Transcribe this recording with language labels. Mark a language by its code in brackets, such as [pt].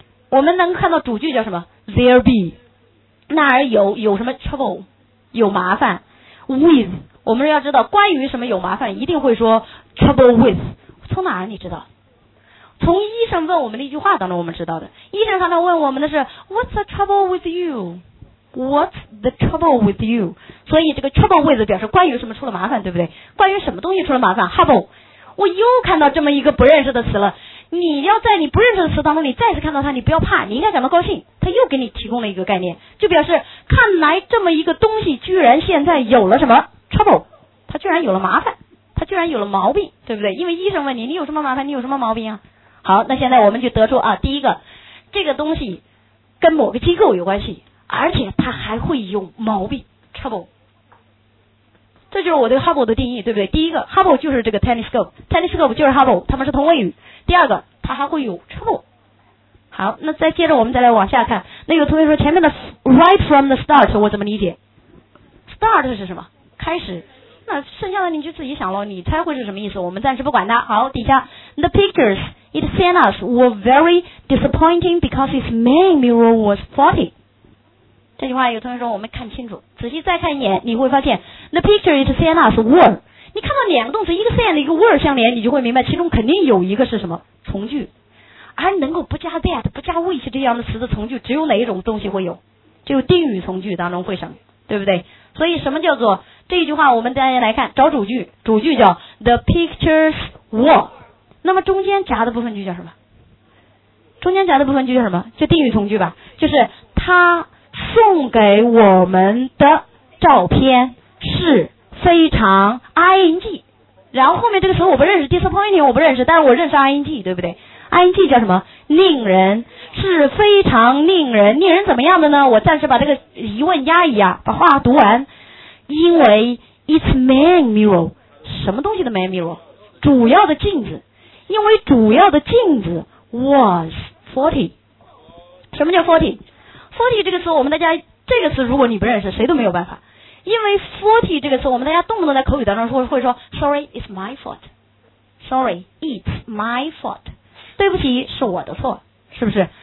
[zh] 我们能看到主句叫什么， [en] There be， [zh] 那儿有什么 trouble， 有麻烦， with， 我们要知道关于什么有麻烦一定会说 trouble with。从哪儿你知道？从医生问我们的一句话当中我们知道的。医生常常问我们的是 [en] What's the trouble with you？ What's the trouble with you？ [zh] 所以这个 [en] trouble with [zh] 表示关于什么出了麻烦，对不对？关于什么东西出了麻烦？ Hubble， 我又看到这么一个不认识的词了。你要在你不认识的词当中你再次看到它，你不要怕，你应该感到高兴，它又给你提供了一个概念，就表示看来这么一个东西居然现在有了什么 trouble， 它居然有了麻烦，它居然有了毛病，对不对？因为医生问你，你有什么麻烦，你有什么毛病啊。好，那现在我们就得出啊，第一个，这个东西跟某个机构有关系，而且它还会有毛病 trouble。这就是我对 Hubble 的定义，对不对？第一个， Hubble 就是这个 telescope， telescope 就是 Hubble， 它们是同位语。第二个，它还会有 trouble。好，那再接着我们再来往下看。那有同学说前面的 [en] right from the start [zh] 我怎么理解？ start 是什么？开始。那剩下的你就自己想了，你猜会是什么意思，我们暂时不管它。好，底下 [en] the pictures it sent us were very disappointing because its main mirror was faulty。 [zh] 这句话有同学说我们看清楚，仔细再看一眼，你会发现 [en] The picture it sent us were， [zh] 你看到两个动词，一个 send 一个 were 相连，你就会明白其中肯定有一个是什么从句。而能够不加 that 不加 which 这样的词的从句只有哪一种东西会有，就定语从句当中会省，对不对？所以什么叫做这句话，我们大家来看，找主句，主句叫 [en] The pictures were， [zh] 那么中间夹的部分句叫什么？中间夹的部分句叫什么？就定语从句吧，就是他送给我们的照片是非常 ing， 然后后面这个词我不认识， disappointing 我不认识，但是我认识 ing， 对不对？ ing 叫什么？令人，是非常令人，令人怎么样的呢？我暂时把这个疑问压一压，把话读完。因为 [en] its main mirror， [zh] 什么东西的 main mirror？主要的镜子，因为主要的镜子 [en] was faulty。 [zh] 什么叫 faulty？ faulty 这个词，我们大家这个词如果你不认识，谁都没有办法。因为 faulty 这个词，我们大家动不动在口语当中会说 [en] sorry it's my fault， [zh] sorry it's my fault， 对不起是我的错，是不是？